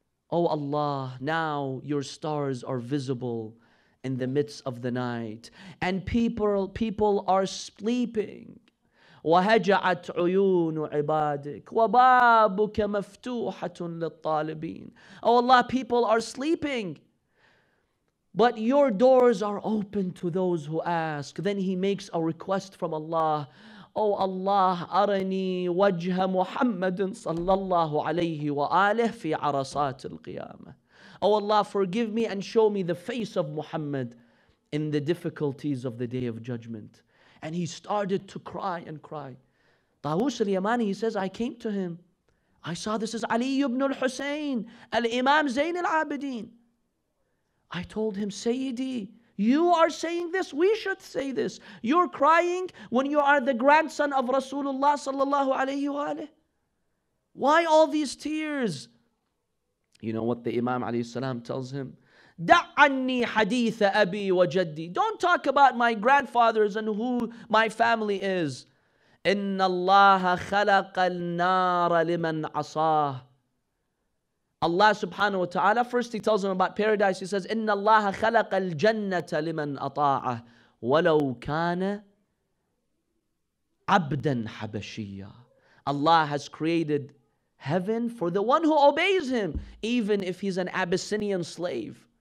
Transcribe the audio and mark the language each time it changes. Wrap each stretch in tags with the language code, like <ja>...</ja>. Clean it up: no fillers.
<en>Oh Allah, now your stars are visible in the midst of the night. And people are sleeping.</en> <ar>وهجعت عيون عبادك وبابك مفتوحة للطالبين.</ar> <en>Oh Allah, people are sleeping, but your doors are open to those who ask. Then he makes a request from Allah. Oh Allah,</en> <ar>أرني وجه محمد صلى الله عليه وآله في عرصات القيامة.</ar> <en>Oh Allah, forgive me and show me the face of Muhammad in the difficulties of the Day of Judgment. And he started to cry and cry. Tawus al-Yamani, he says, I came to him. I saw this is Ali ibn al-Husayn, al-Imam Zayn al-Abidin. I told him, Sayyidi, you are saying this, we should say this. You're crying when you are the grandson of Rasulullah sallallahu alayhi wa alayhi. Why all these tears? You know what the Imam alayhi salam tells him?</en> <ar>دعني حديث أبي وجدي.</ar> <en>Don't talk about my grandfathers and who my family is.</en> <ar>إن الله خلق النار لمن عصاه.</ar> <en>Allah subhanahu wa ta'ala, first he tells him about paradise. He says,</en> <ar>إن الله خلق الجنة لمن أطاعه ولو كان عبدا حبشيا.</ar> <en>Allah has created heaven for the one who obeys him, even if he's an Abyssinian slave.</en>